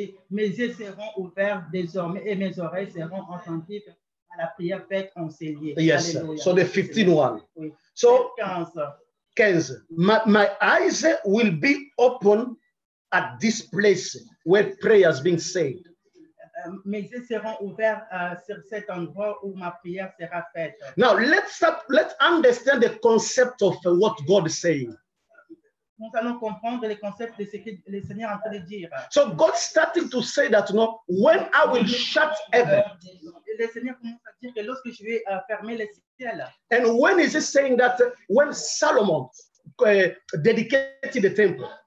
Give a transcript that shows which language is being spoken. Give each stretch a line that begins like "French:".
French: Mes yeux seront ouverts désormais et mes oreilles seront attentives à la prière faite en ces lieux.
English: Yes, so the 15 one.
French: Oui.
English: So 15. My eyes will be open at this place where prayer has been said.
French: Mes yeux seront ouverts sur cet endroit où ma prière sera faite.
English: Now let's understand the concept of what God is saying.
French: Nous allons comprendre les concepts de ce que le Seigneur est en train de dire.
English: So God starting to say that, you know, when I will shut heaven.
French: Le Seigneur commence à dire que lorsque je vais fermer le ciel.
English: And when is he saying that when Solomon dedicated the temple?